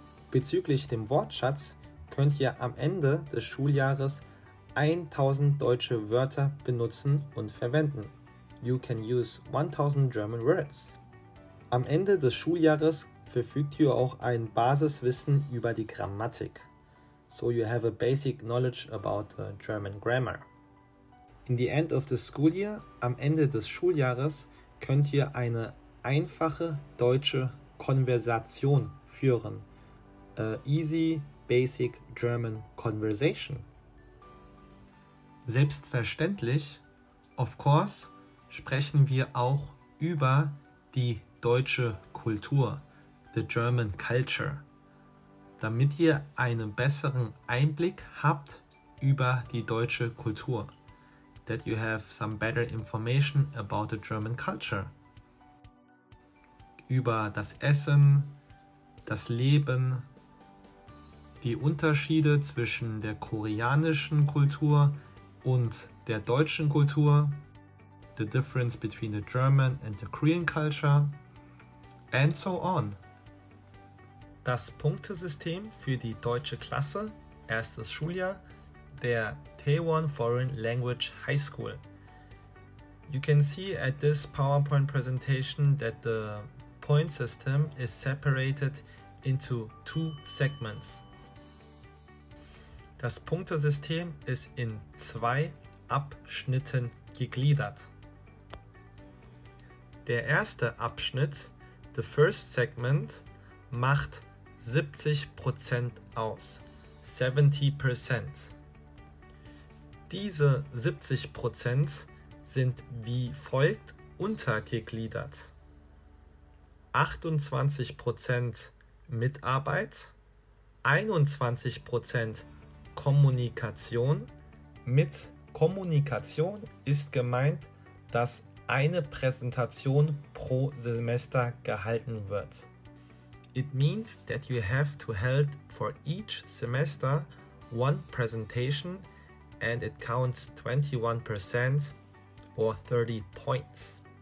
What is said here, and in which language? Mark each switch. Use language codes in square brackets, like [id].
[de] Bezüglich dem Wortschatz könnt ihr am Ende des Schuljahres 1000 deutsche Wörter benutzen und verwenden. [en] You can use 1000 German words. [de] Am Ende des Schuljahres verfügt ihr auch ein Basiswissen über die Grammatik. [en] So you have a basic knowledge about the German grammar. In the end of the school year, [de] am Ende des Schuljahres, könnt ihr eine einfache deutsche Konversation führen. [en] A easy, basic German conversation. [de] Selbstverständlich, [en] of course, [de] sprechen wir auch über die deutsche Kultur, [en] the German culture. [de] Damit ihr einen besseren Einblick habt über die deutsche Kultur. [en] That you have some better information about the German culture. [de] Über das Essen, das Leben, die Unterschiede zwischen der koreanischen Kultur und der deutschen Kultur, [en] the difference between the German and the Korean culture, and so on. [de] Das Punktesystem für die deutsche Klasse, erstes Schuljahr, der Taiwan Foreign Language High School. [en] You can see at this PowerPoint presentation that the point system is separated into two segments. [de] Das Punktesystem ist in zwei Abschnitten gegliedert. Der erste Abschnitt, [en] the first segment, [de] macht 70% aus, 70%. Diese 70% sind wie folgt untergegliedert. 28% Mitarbeit, 21% Kommunikation. Mit Kommunikation ist gemeint, dass eine Präsentation pro Semester gehalten wird. [en] It means that you have to hold for each semester one presentation and it counts 21% or 30 points.